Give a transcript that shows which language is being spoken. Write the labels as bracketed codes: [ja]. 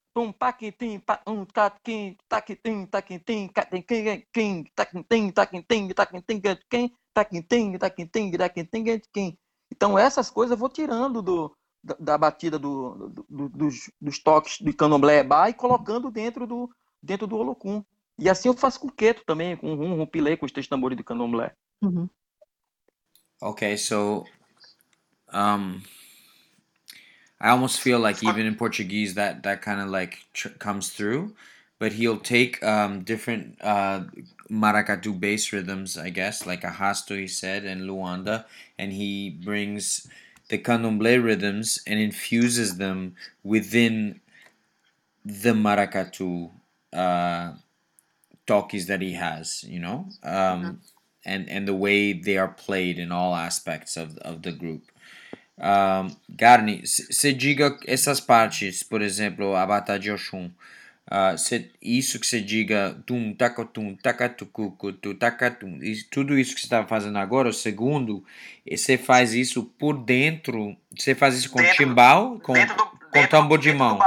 [pt] Pum paquitim pa um taquim taquitim taquitim taquitim taquitim taquitim taquitim taquitim taquitim taquitim taquitim taquitim taquitim. Então essas coisas eu vou tirando da batida dos toques de candomblé ebá e colocando dentro do Olokun. E assim eu faço com o queto também, com rum, rum, pilê, com os três tambores de candomblé. Uhum. [en] Okay, so I almost feel like even in Portuguese that kind of like comes through, but he'll take different maracatu bass rhythms, I guess, like arrasto, he said, and luanda, and he brings the candomblé rhythms and infuses them within the maracatu toques that he has, you know, and the way they are played in all aspects of the group. [pt] Garni, você diga essas partes, por exemplo, a bata de Oxum, isso que você diga, tum, tacotum, tacatucucu, tacatum, tudo isso que você estava fazendo agora, o segundo, você faz isso por dentro, você faz isso com timbal, com tambor de mão.